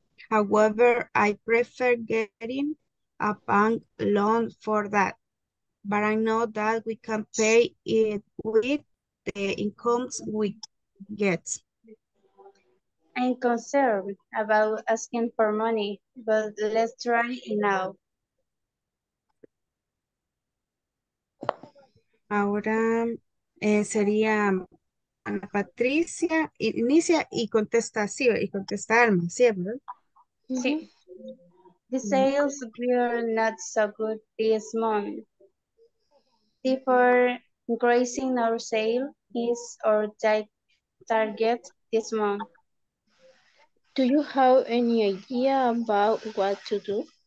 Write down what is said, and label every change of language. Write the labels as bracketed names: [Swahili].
[English] however, I prefer getting a bank loan for that. But I know that we can pay it with the incomes we get. I'm concerned about asking for money, but let's try it now. [Spanish] Ahora sería Ana Patricia, inicia y contesta, sí, y contesta Alma, ¿cierto? Sí. [English] The sales were not so good this month. Before increasing our sale is our target this month. Do you have any idea about what to do?